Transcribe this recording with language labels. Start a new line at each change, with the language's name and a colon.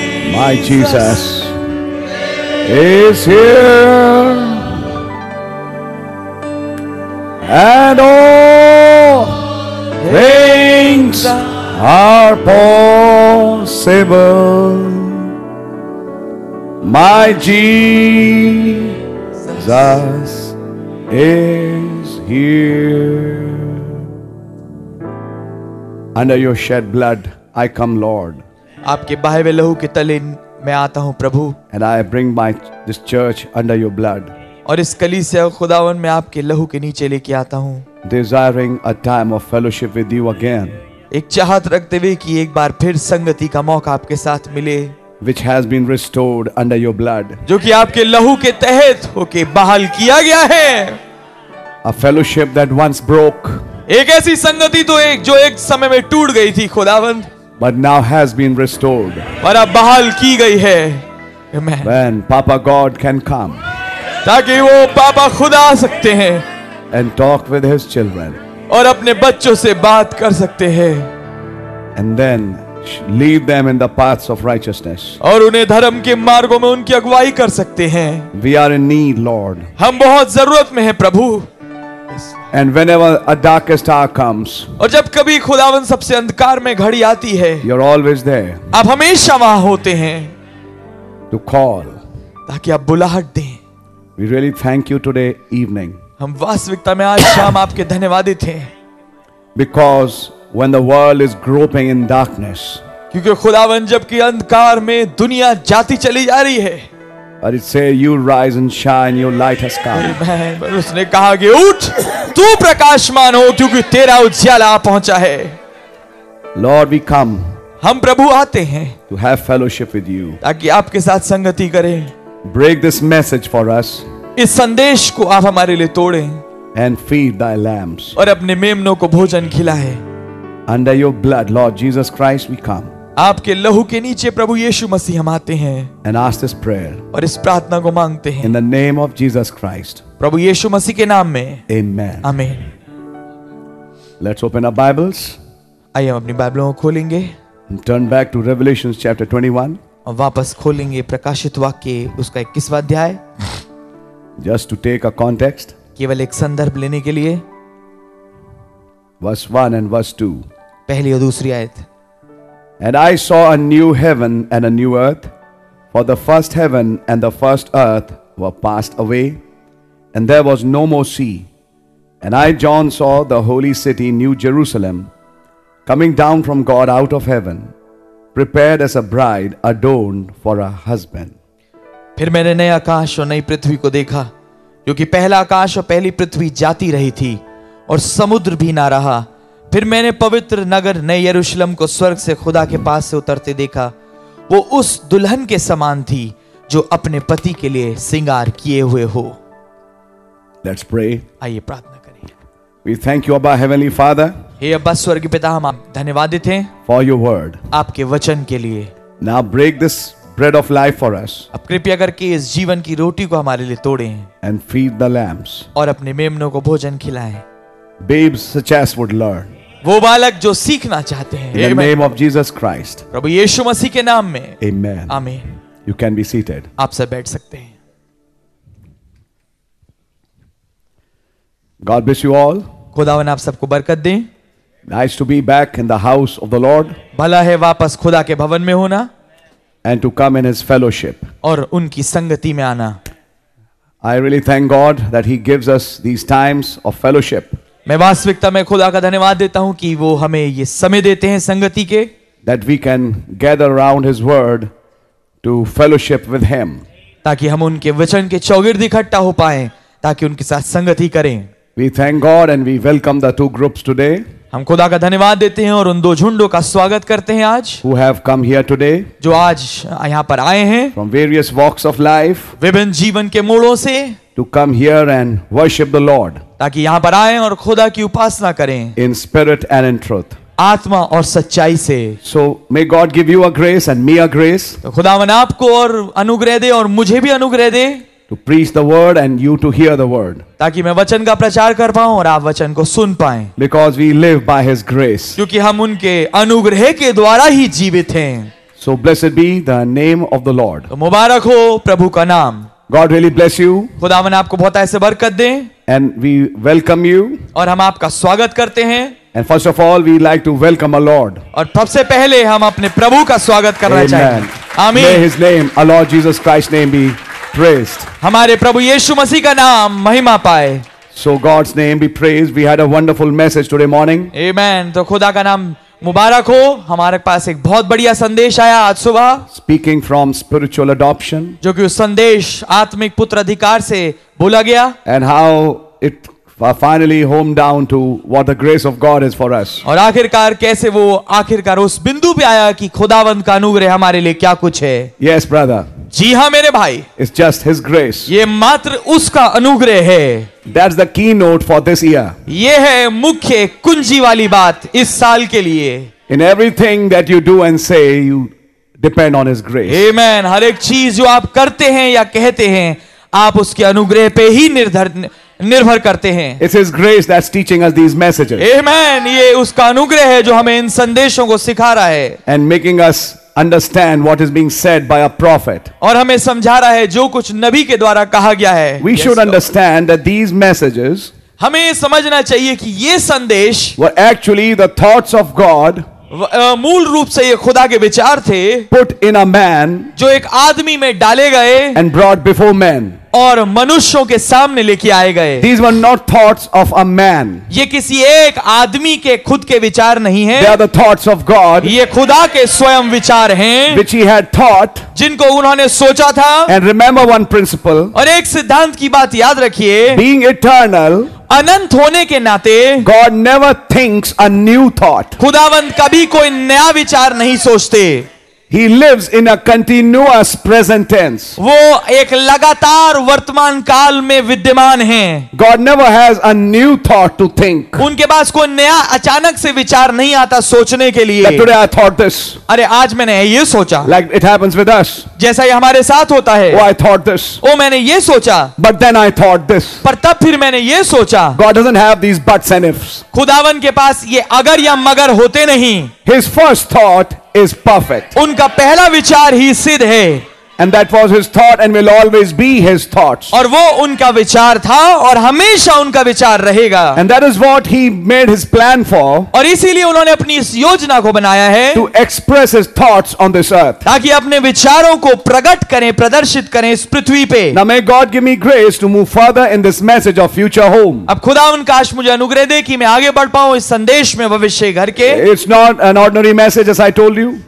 English: My Jesus is here, and all things are possible. My Jesus is here. Under your shed blood, I come, Lord.
Hindi: आपके बाहे वे लहू के तले मैं आता हूं प्रभु.
English: And I bring my this church under your blood.
Hindi: और इस कलीसिया खुदावन मैं आपके लहू के नीचे लेके आता हूं.
English: Desiring a time of fellowship with you again.
Hindi: एक चाहत रखते हुए कि एक बार फिर संगति का मौका आपके साथ मिले.
English: Which has been restored under your blood.
Hindi: जो कि आपके लहू के तहत होके बहाल किया गया है.
English: A fellowship that once broke.
Hindi: एक ऐसी संगति तो एक जो एक समय में टूट गई थी खुदावन.
English: But now has been restored.
Hindi: पर अब बहाल की गई है. Amen.
English: When Papa God can come.
Hindi: ताकि वो पापा खुदा आ सकते हैं.
English: And talk with his children.
Hindi: और अपने बच्चों से बात कर सकते हैं.
English: And then lead them in the paths of righteousness.
Hindi: और उन्हें धर्म के मार्गों में उनकी अगुवाई कर सकते हैं.
English: We are in need, Lord.
Hindi: हम बहुत जरूरत में हैं प्रभु.
English: And whenever a darkest hour comes,
Hindi: और जब कभी खुदावन सबसे अंधकार में घड़ी आती है,
English: you're always there.
Hindi: आप हमेशा वहाँ होते हैं.
English: To call,
Hindi: ताकि आप बुलाहट दें.
English: We really thank you today evening.
Hindi: हम वास्तविकता में आज शाम आपके धन्यवादित हैं.
English: Because when the world is groping in darkness,
Hindi: क्योंकि खुदावन जबकि अंधकार में दुनिया जाती चली जा रही है.
English: But it say you rise and shine, your light has come. Amen.
Hindi: पर उसने कहा कि उठ, तू प्रकाशमान हो क्योंकि तेरा उजियाला पहुंचा है.
English: Lord, we come.
Hindi: हम प्रभु आते हैं.
English: To have fellowship with you.
Hindi: ताकि आपके साथ संगति करें.
English: Break this message for us.
Hindi: इस संदेश को आप हमारे लिए तोड़ें.
English: And feed thy lambs.
Hindi: और अपने मेमनों को भोजन खिलाएं.
English: Under your blood, Lord Jesus Christ, we come.
Hindi: आपके लहू के नीचे प्रभु यीशु मसीह हम आते हैं.
English: And ask this prayer.
Hindi: और इस प्रार्थना को मांगते हैं.
English: In the name of Jesus Christ.
Hindi: प्रभु यीशु मसीह के नाम में.
English: Amen. Amen. Let's open our Bibles.
Hindi: आइए हम अपनी बाइबलों को खोलेंगे.
English: Turn back to Revelation chapter 21.
Hindi: और वापस खोलेंगे प्रकाशित वाक्य उसका 21वां अध्याय.
English: Just to take a context.
Hindi: केवल एक संदर्भ लेने के लिए.
English: Verse 1 and verse 2.
Hindi: पहली और दूसरी आयत.
English: And I saw a new heaven and a new earth, for the first heaven and the first earth were passed away, and there was no more sea. And I, John, saw the holy city, New Jerusalem, coming down from God out of heaven, prepared as a bride adorned for a husband.
Hindi: फिर मैंने नया आकाश और नई पृथ्वी को देखा, क्योंकि पहला आकाश और पहली पृथ्वी जाती रही थी और समुद्र भी ना रहा. फिर मैंने पवित्र नगर नए यरूशलम को स्वर्ग से खुदा के पास से उतरते देखा. वो उस दुल्हन के समान थी जो अपने पति के लिए सिंगार किए हुए हो.
English: Let's pray.
Hindi: आइए प्रार्थना करें.
English: We thank you, Abba, Heavenly Father.
Hindi: हे अब्बा स्वर्गीय पिता, हम आप धन्यवादित हैं.
English: For your word.
Hindi: आपके वचन के लिए.
English: Now break this bread of life for us.
Hindi: अब कृपया करके इस जीवन की रोटी को हमारे लिए तोड़ें.
English: And feed the lambs.
Hindi: और अपने मेमनों को भोजन खिलाएं.
English: Babes such as would learn.
Hindi: वो बालक जो सीखना चाहते हैं.
English: In the name of Jesus Christ.
Hindi: प्रभु यीशु मसीह के नाम में.
English: Amen.
Hindi: आमीन.
English: You can be seated.
Hindi: आप सब बैठ सकते हैं.
English: God bless you all.
Hindi: खुदावन आप सबको बरकत दें.
English: Nice to be back in the house of the Lord.
Hindi: भला है वापस खुदा के भवन में होना.
English: And to come in His fellowship.
Hindi: और उनकी संगति में आना.
English: I really thank God that He gives us these times of fellowship.
Hindi: मैं वास्तविकता में खुदा का धन्यवाद देता हूँ कि वो हमें ये समय देते हैं संगति के.
English: That we can gather around His word to fellowship with Him.
Hindi: ताकि हम उनके वचन के चौगिर्द इकट्ठा हो पाएं, ताकि उनके साथ संगति करें.
English: We thank God and we welcome the two groups today.
Hindi: हम खुदा का धन्यवाद देते हैं और उन दो झुंडों का स्वागत करते हैं आज.
English: Who have come here today?
Hindi: जो आज यहाँ पर आए हैं.
English: From various walks of life.
Hindi: विभिन्न जीवन के मोड़ों से.
English: To come here and worship the Lord.
Hindi: ताकि यहाँ पर आएं और खुदा की उपासना करें.
English: In spirit and in truth.
Hindi: आत्मा और सच्चाई से.
English: So may God give you a grace and me a grace.
Hindi: तो खुदावन आपको और अनुग्रह दे और मुझे भी अनुग्रह दे.
English: To preach the word and you to hear the word.
Hindi: ताकि मैं वचन का प्रचार कर पाऊं और आप वचन को सुन पाएं.
English: Because we live by His grace.
Hindi: क्योंकि हम उनके अनुग्रह के द्वारा ही जीवित हैं.
English: So blessed be the name of the Lord.
Hindi: तो मुबारक हो प्रभु का नाम.
English: God really bless you.
Hindi: खुदावन आपको बहुत ऐसे बरकत दें.
English: And we welcome you.
Hindi: और हम आपका स्वागत करते हैं.
English: And first of all, we like to welcome our Lord.
Hindi: और सबसे पहले हम अपने प्रभु का स्वागत करना चाहेंगे.
English: Amen. May His name, our Lord Jesus Christ's name, be praised.
Hindi: हमारे प्रभु यीशु मसीह का नाम महिमा पाए.
English: So God's name be praised. We had a wonderful message today morning.
Hindi: Amen. तो खुदा का नाम मुबारक हो. हमारे पास एक बहुत बढ़िया संदेश आया आज सुबह.
English: Speaking from spiritual adoption.
Hindi: जो कि उस संदेश आत्मिक पुत्र अधिकार से बोला गया.
English: And how it finally homed down to what the grace of God is for us.
Hindi: और आखिरकार कैसे वो आखिरकार उस बिंदु पे आया कि खुदावंत का अनुग्रह हमारे लिए क्या कुछ है.
English: Yes, brother.
Hindi: जी हाँ मेरे भाई.
English: It's just His grace.
Hindi: ये मात्र उसका अनुग्रह है.
English: That's the keynote for this year.
Hindi: ये है मुख्य कुंजी वाली बात इस साल के लिए.
English: In everything that you do and say, you depend on His grace. Amen.
Hindi: हर एक चीज जो आप करते हैं या कहते हैं, आप उसके अनुग्रह पे ही निर्भर करते हैं.
English: It's His grace that's teaching us these messages. Amen.
Hindi: ये उसका अनुग्रह है जो हमें इन संदेशों को सिखा रहा है.
English: And making us understand what is being said by a prophet.
Hindi: और हमें समझा रहा है जो कुछ नबी के द्वारा कहा गया है.
English: We should understand that these messages.
Hindi: हमें समझना चाहिए कि ये संदेश.
English: Were actually the thoughts of God.
Hindi: मूल रूप से ये खुदा के विचार थे.
English: Put in a man.
Hindi: जो एक आदमी में डाले गए.
English: And brought before men.
Hindi: और मनुष्यों के सामने लेके आए गए.
English: These were not thoughts of a man.
Hindi: ये किसी एक आदमी के खुद के विचार नहीं है.
English: They are the thoughts of God.
Hindi: ये खुदा के स्वयं विचार हैं.
English: Which he had thought.
Hindi: जिनको उन्होंने सोचा था.
English: And remember one principle.
Hindi: और एक सिद्धांत की बात याद रखिए.
English: Being eternal.
Hindi: अनंत होने के नाते.
English: God never thinks a new thought.
Hindi: खुदावंत कभी कोई नया विचार नहीं सोचते.
English: He lives in a continuous present tense.
Hindi: वो एक लगातार वर्तमान काल में विद्यमान हैं.
English: God never has a new thought to think.
Hindi: उनके पास कोई नया अचानक से विचार नहीं आता सोचने के लिए.
English: Like today I thought this.
Hindi: अरे आज मैंने ये सोचा.
English: Like it happens with us.
Hindi: जैसा ये हमारे साथ होता है.
English: Oh, I thought this.
Hindi: ओ मैंने ये सोचा.
English: But then I thought this.
Hindi: पर तब फिर मैंने ये सोचा.
English: God doesn't have these buts and ifs.
Hindi: खुदावन के पास ये अगर या मगर होते नहीं.
English: His first thought is perfect.
Hindi: उनका पहला विचार ही सिद्ध है.
English: And that was his thought and will always be his thoughts.
Hindi: और वो उनका विचार था और हमेशा उनका विचार रहेगा.
English: And that is what he made his plan for.
Hindi: और इसीलिए उन्होंने अपनी इस योजना को बनाया है.
English: To express his thoughts on this earth.
Hindi: ताकि अपने विचारों को प्रकट करें, प्रदर्शित करें इस पृथ्वी पे.
English: Now may God give me grace to move further in this message of future home.
Hindi: अब खुदा उनकाश मुझे अनुग्रह दे कि मैं आगे बढ़ पाऊँ इस संदेश में भविष्य घर के.
English: It's not an ordinary message as I told you.